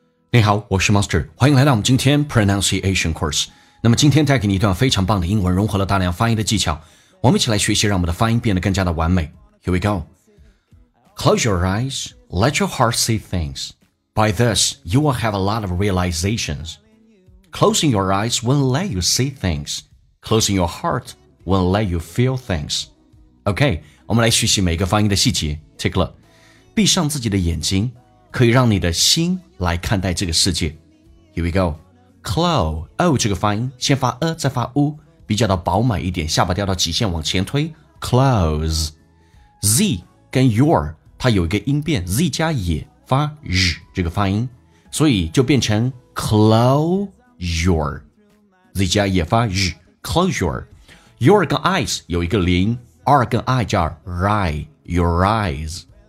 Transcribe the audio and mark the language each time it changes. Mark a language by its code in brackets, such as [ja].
[zh] 你好，我是 Master， 欢迎来到我们今天 Pronunciation Course。那么今天带给你一段非常棒的英文，融合了大量发音的技巧，我们一起来学习，让我们的发音变得更加的完美。 [en] Here we go. Close your eyes, let your heart see things. By this, you will have a lot of realizations. Closing your eyes won't let you see things. Closing your heart won't let you feel things. [zh] OK, 我们来学习每个发音的细节。 [en] Take a look. [zh] 闭上自己的眼睛可以让你的心来看待这个世界。 [en] Here we go. [zh] Close, O 这个发音，先发 A 再发 U， 比较的饱满一点，下巴掉到极限往前推。 [en] Close. [zh] Z 跟 your 它有一个音变， Z 加也发 Z 这个发音，所以就变成 close your。 Z 加也发 Z， close your。 Your 跟 eyes 有一个连音， R 跟 I 叫 ri, your eyes.